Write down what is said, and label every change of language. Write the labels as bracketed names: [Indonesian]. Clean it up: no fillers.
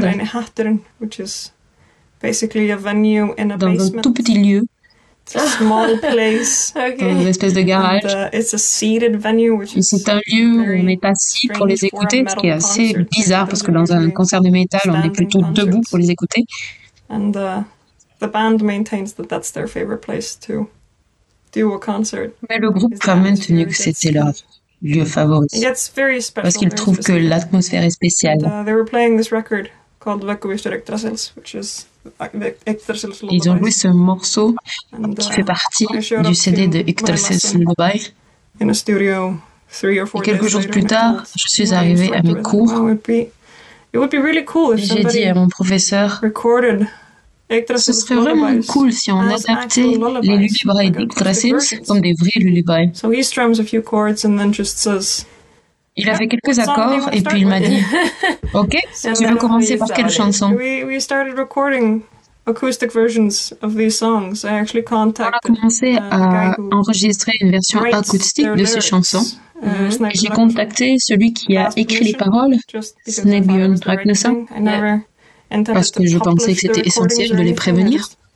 [French] Dans un tout petit lieu. Dans une espèce de garage. Et c'est un lieu où on est assis pour les écouter, ce qui est assez bizarre parce que dans un concert de metal, on est plutôt debout pour les écouter. [English] And the band maintains that that's their favorite place to do a concert. [French] Mais le groupe a maintenu que c'était leur lieu favori. [English] It's very special. [French] Parce qu'ils trouvent que l'atmosphère est spéciale. [English] And, they were playing this record called Vekuvistur Yggdrasils, which is Yggdrasils Lullaby. [French] Ils ont joué ce morceau qui fait partie du CD de Yggdrasils Lullaby. [English] In a studio 3 or 4 days. [French] Et quelques jours plus tard, je suis arrivée à mes cours. [English] It would be really cool if [French] j'ai dit à mon professeur, ce serait vraiment cool si on adaptait les lullabies d'Yggdrasils comme des vrais lullabies. [English] So he strums a few chords and then just says, [French] il a fait quelques accords et puis il m'a dit, ok, tu veux commencer par quelle chanson? [English] We started recording acoustic versions of these songs. I actually contacted [French] on a commencé à enregistrer une version acoustique de ces chansons. J'ai contacté celui qui a écrit les paroles, Snæbjørn Ragnarsson, parce que je pensais que c'était essentiel de les prévenir.